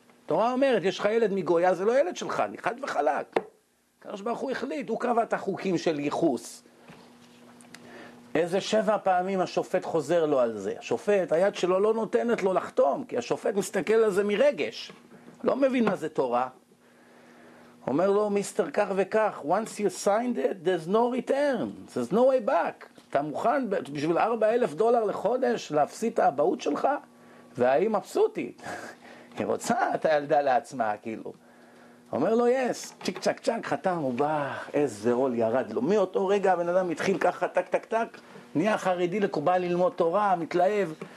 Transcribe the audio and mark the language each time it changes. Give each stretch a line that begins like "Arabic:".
Hebrew: תורה אומרת, יש לך ילד מגויה, זה לא ילד שלך, אני חד וחלק. הקדוש ברוך הוא החליט, הוא קבע את החוקים של ייחוס. איזה 7 פעמים השופט חוזר לו על זה. השופט, היד שלו לא נותנת לו לחתום, כי השופט מסתכל על זה מרגש. לא מבין מה זה תורה. אומר לו, מיסטר כך וכך,
English: once you signed it, there's no return, there's no way back.
Hebrew: אתה מוכן בשביל $4,000 לחודש להפסיד את האבאות שלך? והיא מבסוטי. היא רוצה את הילדה לעצמה, כאילו. אומר לו, yes, צ'יק צ'ק צ'ק, חתם, הוא בא, איזה עול ירד לו. מאותו רגע הבן אדם התחיל ככה, טק טק טק, נהיה חרדי לקובל ללמוד תורה, מתלהב.